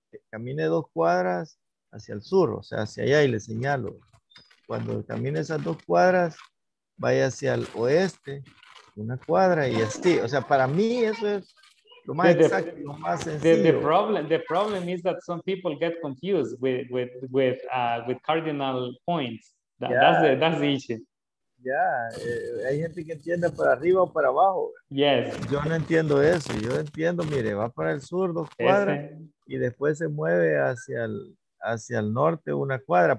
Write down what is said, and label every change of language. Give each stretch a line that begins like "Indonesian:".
Spanish: Camine dos cuadras hacia el sur, o sea, hacia allá, y le señalo. Cuando camine esas dos cuadras, vaya hacia el oeste, una cuadra y así. O sea, para mí eso es lo más exacto, lo más sencillo.
English: The problem is that some people get confused with cardinal points. That's the issue.
Spanish: Yeah, hay gente que entiende para arriba o para abajo.
English: Yes.
Spanish: Yo no entiendo eso. Yo entiendo, mire, va para el sur dos cuadras y después se mueve hacia el norte una cuadra.